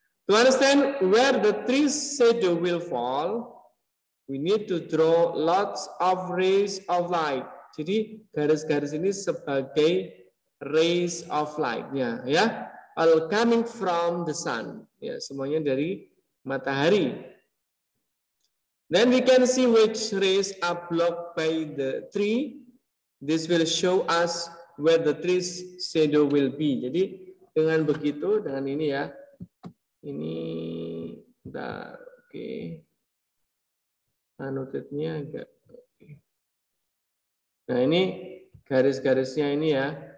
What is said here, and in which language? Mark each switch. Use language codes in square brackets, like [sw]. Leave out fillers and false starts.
[en] To understand where the tree's shadow will fall, we need to draw lots of rays of light. [id] Jadi garis-garis ini sebagai rays of light-nya ya, [en] all coming from the sun [id] ya, semuanya dari matahari. [en] Then we can see which rays are blocked by the tree. This will show us where the tree's shadow will be. [id] Jadi dengan begitu, dengan ini ya, ini udah oke. Annotate-nya agak oke. Nah ini garis-garisnya ini ya.